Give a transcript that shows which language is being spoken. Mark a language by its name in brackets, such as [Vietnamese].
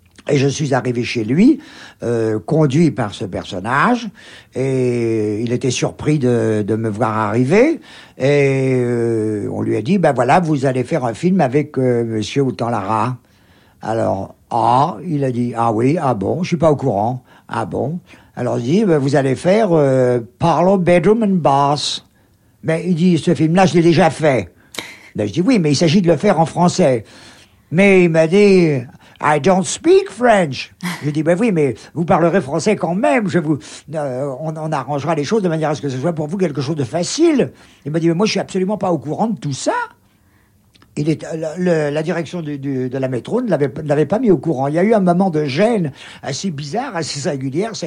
[French] Et je suis arrivé chez lui, conduit par ce personnage, et il était surpris de me voir arriver, et on lui a dit, ben voilà, vous allez faire un film avec Monsieur Autant-Lara. Alors, il a dit, ah oui, ah bon, je suis pas au courant, ah bon. Alors il dit, ben vous allez faire Parlo Bedroom and Bars. Mais il dit, ce film-là, je l'ai déjà fait. Ben je dis, oui, mais il s'agit de le faire en français. Mais il m'a dit, [English] I don't speak French. [French] Je dis, ben oui, mais vous parlerez français quand même. On arrangera les choses de manière à ce que ce soit pour vous quelque chose de facile. Il m'a dit, mais moi, je suis absolument pas au courant de tout ça. La direction de la métro ne l'avait pas mis au courant. Il y a eu un moment de gêne assez bizarre, assez singulière.